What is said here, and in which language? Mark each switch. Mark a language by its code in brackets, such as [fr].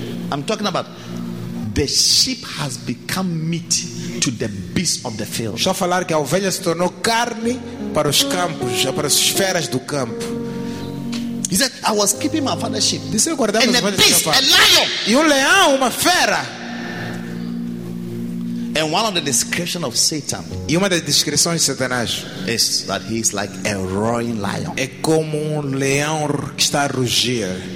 [en] I'm talking about the sheep has become meat to the beasts of the field. [pt] Estou a falar que a ovelha se tornou carne para os campos, para as feras do campo. [en] He said, I was keeping my father's sheep. [pt] Disse, eu guardava [en] and [pt] as ovelhas. [en] Beast, a lion. [pt] E um leão, uma fera. [en] And one of the descriptions of Satan, [pt] e uma das descrições de Satanás, [en] is that he is like a roaring lion. [pt] É como um leão que está a rugir.